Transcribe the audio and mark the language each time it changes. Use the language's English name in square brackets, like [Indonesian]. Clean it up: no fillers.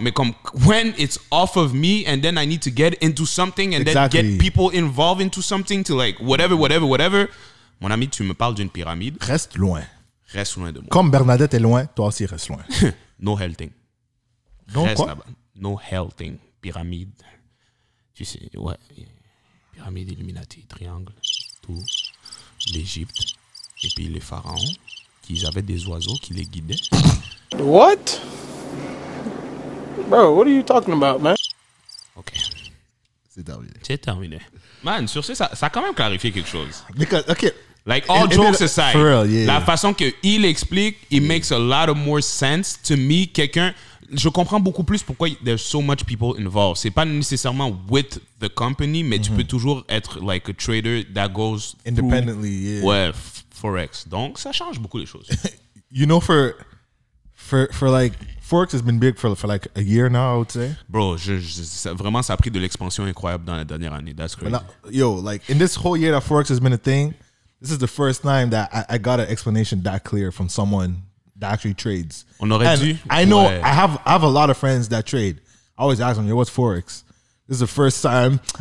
[English] Mais comme, when it's off of me and then I need to get into something and exactly. Then get people involved into something to like whatever, [French] mon ami, tu me parles d'une pyramide. Reste loin. Reste loin de moi. Comme Bernadette est loin, toi aussi reste loin. [English] No hell thing. [French] Non, reste quoi? Là-bas. [English] No hell thing. [French] Pyramide. Tu sais, ouais. Pyramide, Illuminati, triangle, tout. L'Égypte. Et puis les pharaons, qui avaient des oiseaux qui les guidaient. [English] What? Bro, what are you talking about, man? OK. [French] C'est terminé. C'est terminé. Man, sur ce, ça a quand même clarifié quelque chose. [English] Because, OK. Like, all and jokes and aside, for real, yeah, [French] la [English] yeah. [French] Façon qu'il explique, [English] it yeah. Makes a lot of more sense to me. [French] Quelqu'un, je comprends beaucoup plus pourquoi [English] there's so much people involved. [French] C'est pas nécessairement [English] with the company, [French] mais mm-hmm. Tu peux toujours être [English] like a trader that goes independently, through, [French] Ouais, Forex. Donc, ça change beaucoup les choses. [English] You know, for like, Forex has been big for like a year now, I would say. [French] Bro, vraiment, ça a pris de l'expansion incroyable dans la dernière année. [English] That's crazy. Now, yo, like, in this whole year that Forex has been a thing, this is the first time that I got an explanation that clear from someone that actually trades. [French] On aurait [English] and [French] dû. [English] I know, [French] ouais. [English] I have a lot of friends that trade. I always ask them, yo, what's Forex? This is the first time.